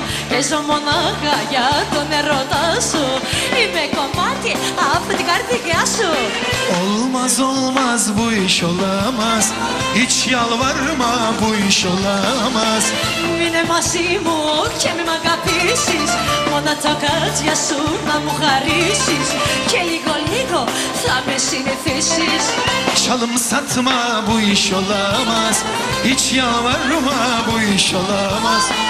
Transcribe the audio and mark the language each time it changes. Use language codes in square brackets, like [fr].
[el] Παίζω μονάχα για τον ερώτα σου. Είμαι κομμάτι από την καρδιά σου. [tr] Olmaz olmaz bu iş olamaz. Hiç yalvarma bu iş olamaz. [el] Μείνε μαζί μου και μη μ' αγαπήσεις. Μόνα τα κάτια σου να μου χαρίσεις. Και λίγο λίγο θα με συνηθίσεις. [tr] Çalım satma bu iş olamaz. Hiç yalvarma bu iş olamaz.